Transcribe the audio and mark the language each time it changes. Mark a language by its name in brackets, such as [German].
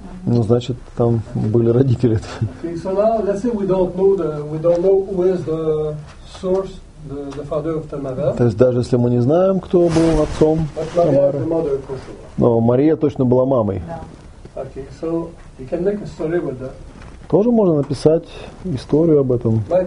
[Russian] Ну, значит, там были родители. [English] Okay, so now let's say we don't know who is the source. [Russian] То есть даже если мы не знаем, кто был отцом Тамары, но Мария точно была мамой. Тоже можно написать историю об этом.